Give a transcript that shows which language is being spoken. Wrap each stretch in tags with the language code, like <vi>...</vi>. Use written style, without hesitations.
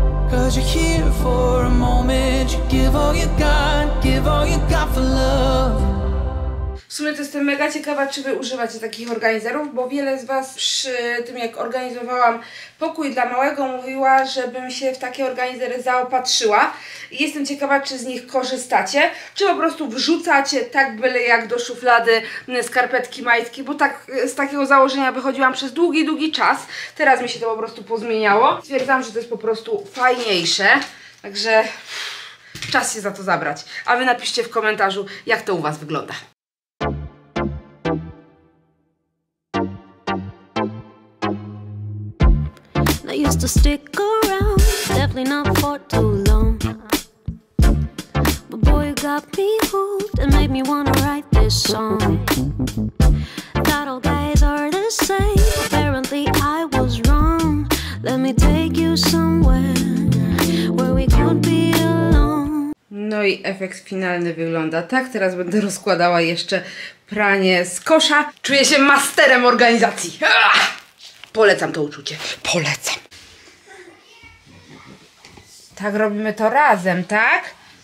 <en>Cause you're here for a moment, you give all you got, give all you got for love.</en> <pl>W sumie to jestem mega ciekawa, czy wy używacie takich organizerów, bo wiele z was przy tym, jak organizowałam pokój dla małego, mówiła, żebym się w takie organizery zaopatrzyła. Jestem ciekawa, czy z nich korzystacie, czy po prostu wrzucacie tak byle jak do szuflady skarpetki, majtki, bo tak z takiego założenia wychodziłam przez długi, długi czas. Teraz mi się to po prostu pozmieniało. Stwierdzam, że to jest po prostu fajniejsze, także czas się za to zabrać. A wy napiszcie w komentarzu, jak to u was wygląda.</pl> <en>Used to stick around, definitely not for too long. But boy, you got me hooked and made me wanna write this song. Thought all guys are the same, apparently I was wrong. Let me take you somewhere where we could be alone.</en> <pl>No i efekt finalny wygląda tak. Teraz będę rozkładała jeszcze pranie z kosza. Czuję się masterem organizacji. Polecam to uczucie. Polecam. Tak robimy to razem, tak?</pl>